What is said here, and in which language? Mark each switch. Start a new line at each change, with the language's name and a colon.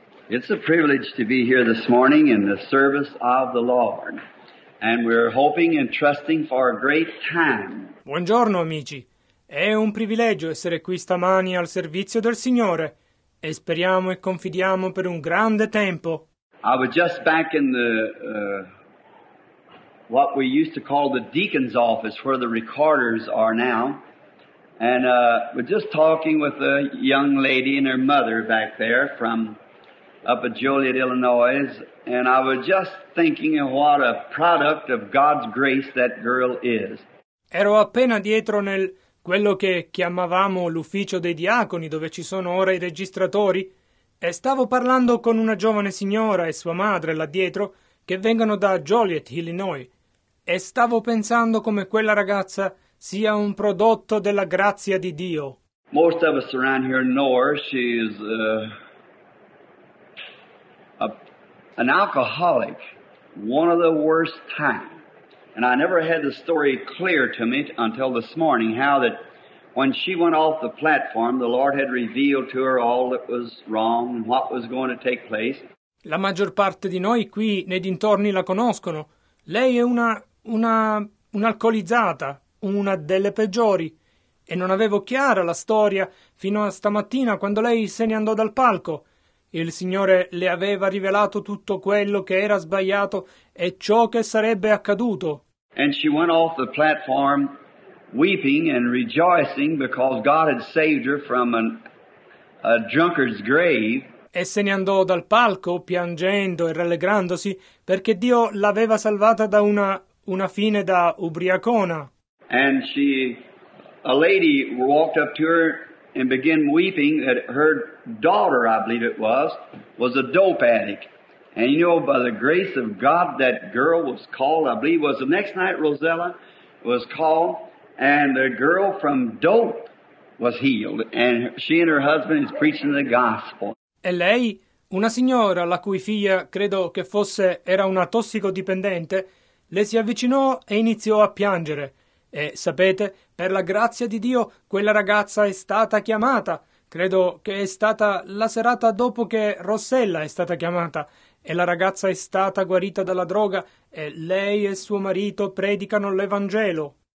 English: It's a privilege to be here this morning in the service of the Lord, and we're hoping and trusting for a great time.
Italian: Buongiorno, amici. È un privilegio essere qui stamani al servizio del Signore. E speriamo e confidiamo per un grande tempo.
English: I was just back in the what we used to call the deacon's office, where the recorders are now, and we're just talking with a young lady and her mother back there from up at Joliet, Illinois, and I was just thinking of what a product of God's grace that girl is.
Italian: Ero appena dietro nel quello che chiamavamo l'ufficio dei diaconi, dove ci sono ora i registratori, e stavo parlando con una giovane signora e sua madre là dietro, che vengono da Joliet, Illinois, e stavo pensando come quella ragazza sia un prodotto della grazia di Dio.
English: Most of us around here know her. She's an alcoholic, one of the worst types. And I never had the story clear to me until this morning, how that when she went off the platform, the Lord had revealed to her all that was wrong and what was going to take place.
Italian: La maggior parte di noi qui nei dintorni la conoscono. Lei è un'alcolizzata, una delle peggiori. E non avevo chiara la storia fino a stamattina, quando lei se ne andò dal palco. Il Signore le aveva rivelato tutto quello che era sbagliato e ciò che sarebbe accaduto.
English: And she went off the platform weeping and rejoicing because God had saved her from a drunkard's grave.
Italian: E se ne andò dal palco piangendo e rallegrandosi perché Dio l'aveva salvata da una fine da ubriacona.
English: And she, a lady walked up to her and began weeping that her daughter, I believe it was a dope addict. And you know, by the grace of God, that girl was called, I believe it was the next night, Rosella was called, and the girl from dope was healed, and she and her husband is preaching the gospel.
Italian: E lei, una signora la cui figlia credo che fosse era una tossicodipendente, le si avvicinò e iniziò a piangere. E sapete, per la grazia di Dio, quella ragazza è stata chiamata. Credo che è stata la serata dopo che Rossella è stata chiamata e la ragazza è stata guarita dalla droga e lei e suo marito predicano l'Evangelo.